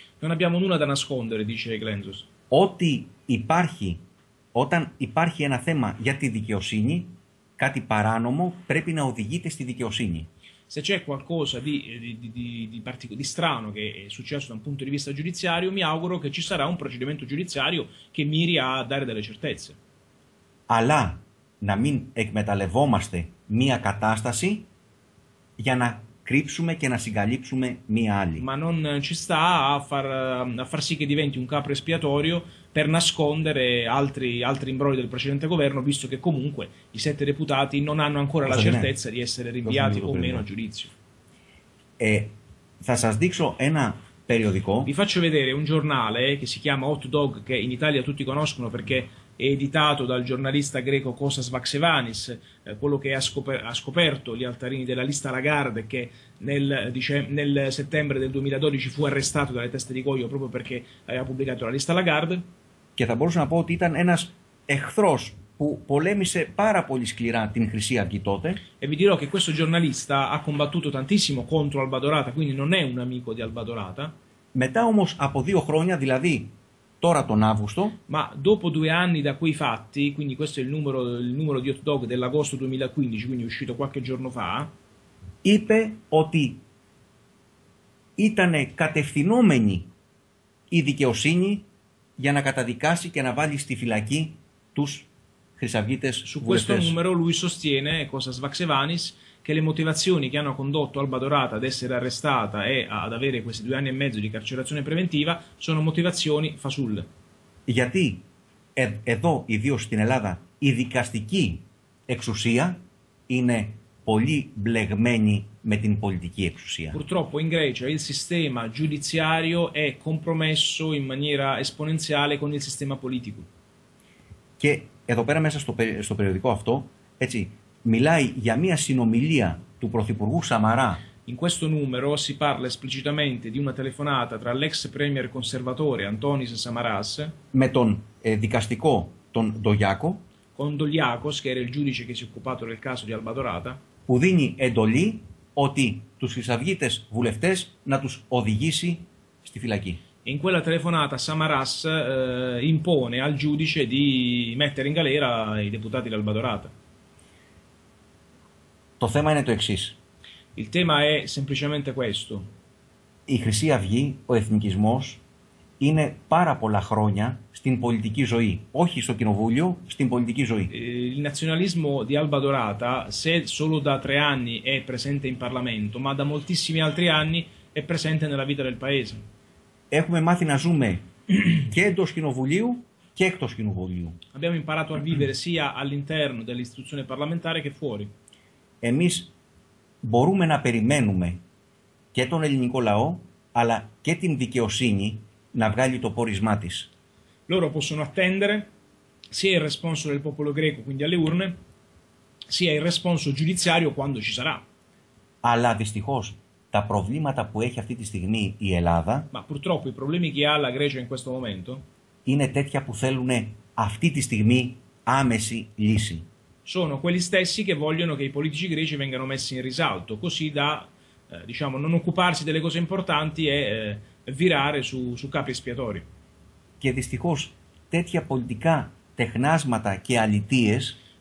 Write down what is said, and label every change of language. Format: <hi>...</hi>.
<it>Non abbiamo nulla da nascondere, dice Glendus.</it> <el>Ότι υπάρχει, όταν υπάρχει ένα θέμα για τη δικαιοσύνη, κάτι παράνομο πρέπει να οδηγείται στη δικαιοσύνη.</el> <it>Se c'è qualcosa di strano che è successo da un punto di vista giudiziario, mi auguro che ci sarà un procedimento giudiziario che miri a dare delle certezze.</it> <el>Αλλά να μην εκμεταλλευόμαστε μία κατάσταση για να κρύψουμε και να συγκαλύψουμε μία άλλη.</el> <it>Ma non ci sta a far sì che diventi un capro espiatorio per nascondere altri imbrogli del precedente governo, visto che comunque i 7 deputati non hanno ancora la certezza di essere rinviati o meno a giudizio.</it> <el>Θα σας δείξω ένα περιοδικό.</el> <it>Vi faccio vedere un giornale che si chiama Hot Dog, che in Italia tutti conoscono perché è editato dal giornalista greco Kostas Vaxevanis, quello che ha scoperto gli altarini della lista Lagarde, che nel settembre del 2012 fu arrestato dalle teste di coio proprio perché aveva pubblicato la lista Lagarde.</it> <el>Και θα μπορούσα να πω ότι ήταν ένας εχθρός που πολέμησε πάρα πολύ σκληρά την Χρυσή Αυγή τότε.</el> <it>E vi dirò che questo giornalista ha combattuto tantissimo contro Alba Dorata, quindi non è un amico di Alba Dorata.</it> <el>Μετά όμως από δύο χρόνια, δηλαδή τώρα τον Αύγουστο.</el> <it>Ma dopo due anni da quei fatti, quindi questo è il numero di Hot Dog dell'agosto 2015, quindi uscito qualche giorno fa,</it> <el>είπε ότι ήταν κατευθυνόμενη η δικαιοσύνη για να καταδικάσει και να βάλει στη φυλακή τους χρυσαυγίτες βουλευτές.</el> <it>Su questo numero lui sostiene, Kostas Vaxevanis, che le motivazioni che hanno condotto Alba Dorata ad essere arrestata e ad avere questi due anni e mezzo di carcerazione preventiva sono motivazioni fasulle.</it> <el>Γιατί εδώ, ιδίως στην Ελλάδα, η δικαστική εξουσία είναι πολύ μπλεγμένη με την πολιτική εξουσία.</el> <it>Purtroppo in Grecia il sistema giudiziario è compromesso in maniera esponenziale con il sistema politico.</it> <el>Και εδώ πέρα μέσα στο περιοδικό αυτό, έτσι, μιλάει για μια συνομιλία του Πρωθυπουργού Σαμαρά.</el> <it>In questo numero si parla esplicitamente di una telefonata tra l'ex premier conservatore Antonis Samaras</it> <el>με τον δικαστικό τον Ντογιάκο,</el> <it>con Dogliakos, che era il giudice che si è occupato del caso di Alba Dorata,</it> <el>που δίνει εντολή ότι τους χρυσαυγίτες βουλευτές να τους οδηγήσει στη φυλακή.</el> <it>In quella telefonata Samaras impone al giudice di mettere in galera i deputati dell'Alba Dorata.</it> <el>Το θέμα είναι το εξής.</el> <it>Il tema è semplicemente questo.</it> <el>Η Χρυσή Αυγή, ο εθνικισμός, είναι πάρα πολλά χρόνια στην πολιτική ζωή, όχι στο κοινοβούλιο, στην πολιτική ζωή.</el> <it>Il nazionalismo di Alba Dorata, se solo da 3 anni è presente in Parlamento, ma da moltissimi altri anni è presente nella vita del paese.</it> <el>Έχουμε μάθει να ζούμε και εντός κοινοβουλίου και εκτός κοινοβουλίου.</el> <it>Abbiamo imparato a vivere sia all'interno dell'istituzione parlamentare che fuori.</it> <el>Εμείς μπορούμε να περιμένουμε και τον ελληνικό λαό, αλλά και την δικαιοσύνη να βγάλει το πόρισμά της.</el> <it>Loro possono attendere sia il responso del popolo greco, quindi alle urne, sia il responso giudiziario quando ci sarà.</it> <el>Αλλά δυστυχώς τα προβλήματα που έχει αυτή τη στιγμή η Ελλάδα.</el> <it>Ma purtroppo i problemi che ha la Grecia in questo momento.</it> <el>Είναι τέτοια που θέλουν αυτή τη στιγμή άμεση λύση.</el> <it>Sono quelli stessi che vogliono che i politici greci vengano messi in risalto, così da diciamo non occuparsi delle cose importanti e virare su capri espiatori.</it> <el>Και δυστυχώς τέτοια πολιτικά τεχνάσματα και αλητίες.</el>